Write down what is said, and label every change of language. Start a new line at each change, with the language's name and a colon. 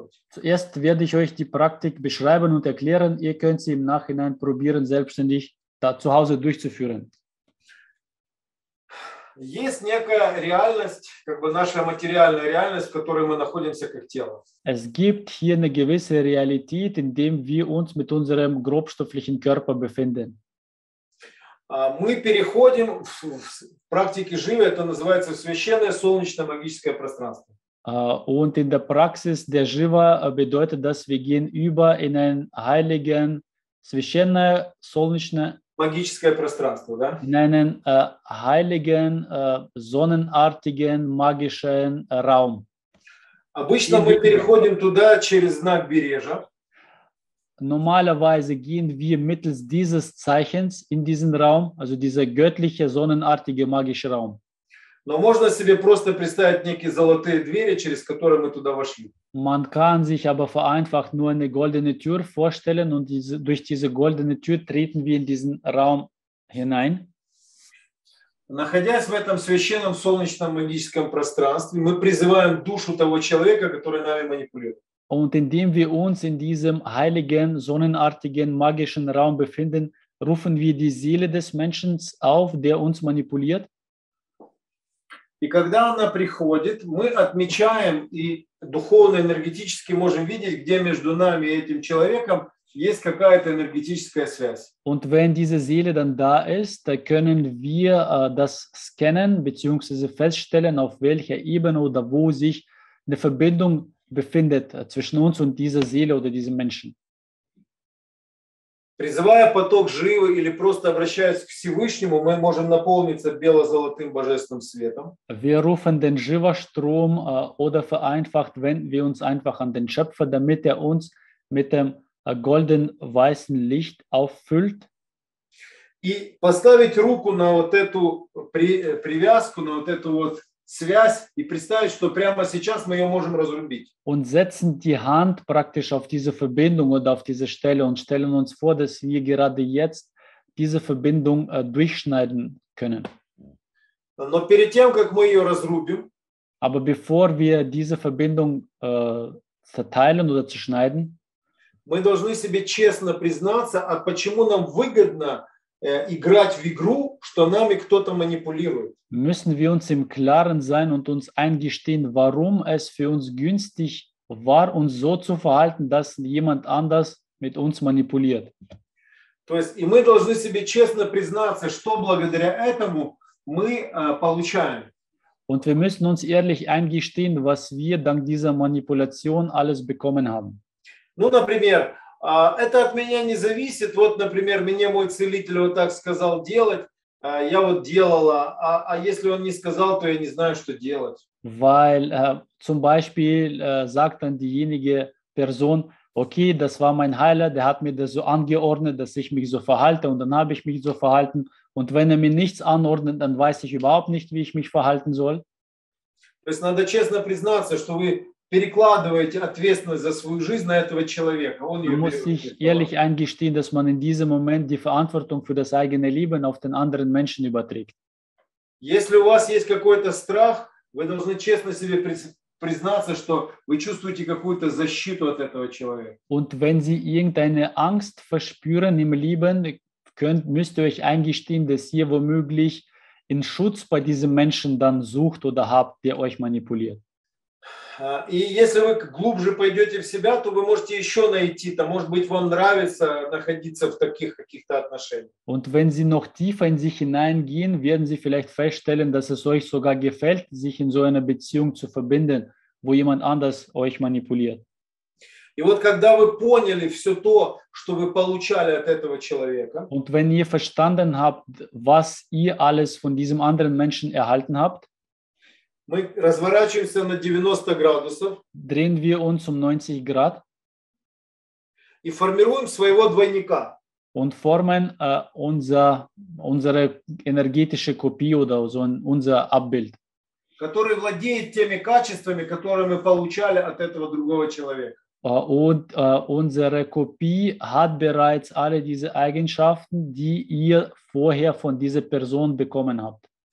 German: Zuerst werde ich euch die Praktik beschreiben und erklären. Ihr könnt sie im Nachhinein probieren, selbstständig da zu Hause durchzuführen.
Russian: есть некая реальность, как бы наша материальная реальность, в которой мы находимся как тело.
German: Es gibt hier eine gewisse Realität, in dem wir uns mit unserem grobstofflichen Körper befinden.
Russian: Мы переходим в практике жизни, это называется священное солнечно-магическое пространство.
German: Und in der Praxis der Jiva bedeutet, dass wir gehen über in ein heiligen,
Russian: священное, солнечное, магическое пространство, да?
German: In einen heiligen, sonnenartigen, magischen Raum.
Russian: Обычно мы переходим туда через знак Бережа.
German: Normalerweise gehen wir mittels dieses Zeichens in diesen Raum, also dieser göttliche, sonnenartige, magische Raum.
Russian: Но можно себе просто представить некие золотые двери, через которые мы туда вошли.
German: Man kann sich aber vereinfacht nur eine goldene Tür vorstellen und diese, durch diese goldene Tür treten wir in diesen Raum hinein.
Russian: Находясь в этом священном солнечном магическом пространстве, мы призываем душу того человека, который нами манипулирует.
German: Und indem wir uns in diesem heiligen, sonnenartigen, magischen Raum befinden, rufen wir die Seele des Menschen auf, der uns manipuliert.
Russian: И когда она приходит, мы отмечаем и духовно-энергетически можем видеть, где между нами и этим человеком есть какая-то энергетическая связь.
German: Und wenn diese Seele dann da ist, dann können wir das scannen bzw. feststellen, auf welcher Ebene oder wo sich eine Verbindung befindet zwischen uns und dieser Seele oder diesem Menschen.
Russian: Призывая поток живы или просто обращаясь к Всевышнему, мы можем наполниться бело-золотым божественным светом.
German: Wir rufen den Jiva-Strom oder vereinfacht wenden wir uns einfach an den Schöpfer, damit uns mit dem golden-weißen Licht auffüllt.
Russian: И поставить руку на вот эту привязку, на вот эту вот связь и представить, что прямо сейчас мы ее можем разрубить.
German: Und setzen die Hand praktisch auf diese Verbindung oder auf diese Stelle und stellen uns vor, dass wir gerade jetzt diese Verbindung durchschneiden können.
Russian: Но перед тем, как мы ее разрубим,
German: aber bevor wir diese Verbindung zerteilen oder zerschneiden,
Russian: мы должны себе честно признаться, а почему нам выгодно играть в игру, что нами кто-то манипулирует.
German: Müssen wir uns im Klaren sein und uns eingestehen, warum es für uns günstig war, uns so zu verhalten, dass jemand anders mit uns manipuliert.
Russian: То есть, и мы должны себе честно признаться, что благодаря этому мы получаем.
German: Und wir müssen uns ehrlich eingestehen, was wir dank dieser Manipulation alles bekommen haben.
Russian: Ну, например, это от меня не зависит. Вот, например, мне мой целитель вот так сказал делать, я вот делала. А если он не сказал, то я не знаю, что делать.
German: Weil zum Beispiel sagt dann diejenige Person, okay, das war mein Heiler, der hat mir das so angeordnet, dass ich mich so verhalte und dann habe ich mich so verhalten. Und wenn mir nichts anordnet, dann weiß ich überhaupt nicht, wie ich mich verhalten soll.
Russian: То есть надо честно признаться, что вы перекладываете ответственность за свою жизнь на этого человека. Он ее
German: muss sich ehrlich eingestehen, dass man in diesem Moment die Verantwortung für das eigene Leben auf den anderen Menschen überträgt.
Russian: Если у вас есть какой-то страх, вы должны честно себе признаться, что вы чувствуете какую-то защиту от этого человека.
German: Und wenn Sie irgendeine Angst verspüren im Leben, müsst ihr euch eingestehen, dass ihr womöglich in Schutz bei diesem Menschen dann sucht oder habt, der euch manipuliert.
Russian: И если вы глубже пойдете в себя, то вы можете еще найти, там, может быть, вам нравится находиться в таких каких-то отношениях.
German: Und wenn Sie noch tiefer in sich hineingehen, werden Sie vielleicht feststellen, dass es euch sogar gefällt, sich in so einer Beziehung zu verbinden, wo jemand anders euch manipuliert.
Russian: И вот когда вы поняли все то, что вы получали от этого человека,
German: und wenn ihr verstanden habt, was ihr alles von diesem anderen Menschen erhalten habt,
Russian: мы разворачиваемся на 90 градусов.
German: Drehen wir uns um 90 Grad.
Russian: И формируем своего двойника.
German: Und formen unsere energetische Kopie oder so unser Abbild.
Russian: Который владеет теми качествами, которые мы получали от этого другого человека.
German: Und unsere Kopie hat bereits alle diese Eigenschaften, die ihr vorher von dieser Person bekommen habt.